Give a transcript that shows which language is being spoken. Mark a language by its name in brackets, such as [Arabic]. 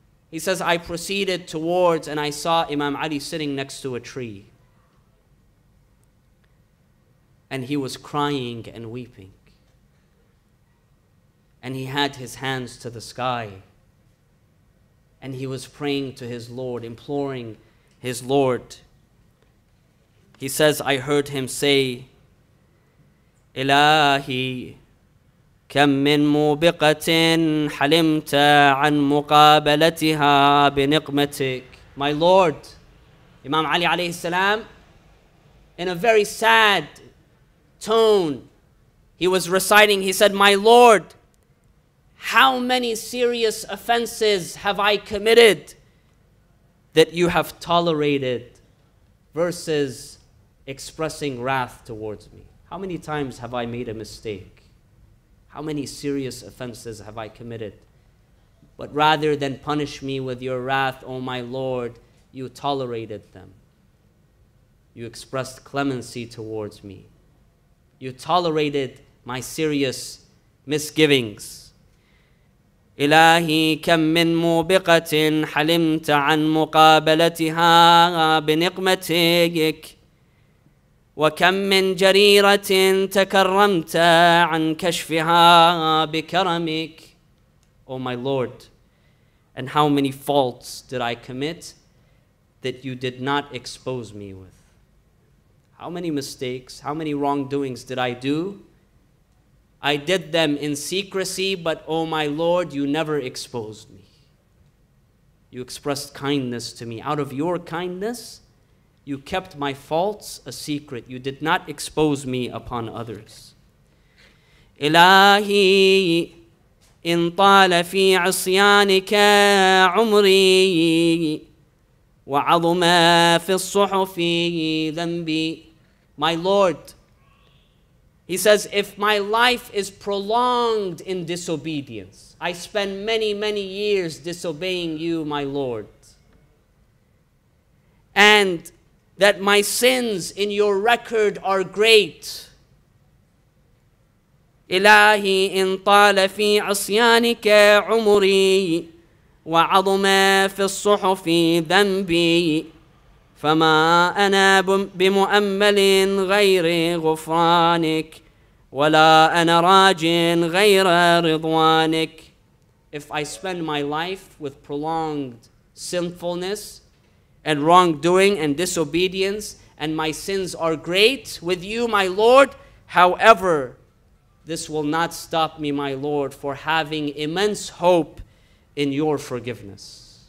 [English] He says, I proceeded towards and I saw Imam Ali sitting next to a tree. And he was crying and weeping. And he had his hands to the sky. And he was praying to his Lord, imploring his Lord. He says, I heard him say, [Arabic] إلهي كم من موبقة حلمت عن مقابلتها بنقمتك. [English] My Lord, Imam Ali alayhi salam, in a very sad tone, he was reciting, he said, My Lord, how many serious offenses have I committed that you have tolerated versus expressing wrath towards me? How many times have I made a mistake? How many serious offenses have I committed? But rather than punish me with your wrath, O my Lord, you tolerated them. You expressed clemency towards me. You tolerated my serious misgivings. [Arabic] إلهي كم من موبقة حلمت عن مقابلتها بنقمتك وكم من جريرة تكرمت عن كشفها بكرمك. [English] O my Lord, and how many faults did I commit that you did not expose me with? How many mistakes, how many wrongdoings did I do? I did them in secrecy, but O my Lord, you never exposed me. You expressed kindness to me. Out of your kindness, you kept my faults a secret. You did not expose me upon others. [Arabic] إلهي إن طال في عصيانك عمري وعظم في الصحف ذنبي. [English] My Lord, he says, if my life is prolonged in disobedience, I spend many, many years disobeying you, my Lord, and that my sins in your record are great. [Arabic] إلهي إن طال في عصيانك عمري وعظم في الصحف ذنبي فما أنا بمؤمل غير غفرانك ولا أنا راج غير رضوانك. [English] If I spend my life with prolonged sinfulness and wrongdoing and disobedience, and my sins are great with you, my Lord, however, this will not stop me, my Lord, for having immense hope in your forgiveness.